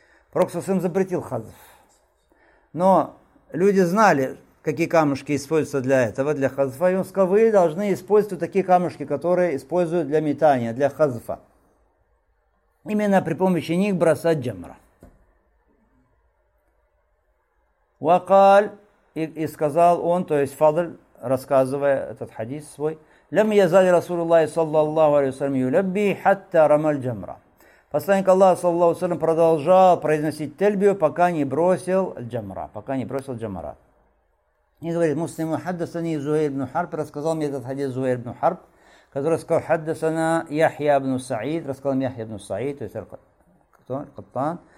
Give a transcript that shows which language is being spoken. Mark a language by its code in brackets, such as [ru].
[ru] Проксусым запретил хазф. Но люди знали, какие камушки используются для этого, для хазфа. И он сказал, вы должны использовать такие камушки, которые используют для метания, для хазфа. Именно при помощи них бросать джамра. Вакаль, и сказал он, то есть Фадль, рассказывая этот хадис свой, [ar] لم يزال رسول الله صلى الله عليه وسلم يلبي حتى رمى الجمرة. [ru] Посланник Аллаха [ar] صلى الله عليه وسلم [ru] продолжал произносить тельбию, пока не бросил джамра, пока не бросил джамра. И говорит муслим, хаддасани Зухейр ибн Харб, рассказал мне этот хадис Зухейр ибн Харб, который сказал хаддасана Яхья ибн Саид, рассказал мне Яхья ибн Саид, то есть кто? Каттан.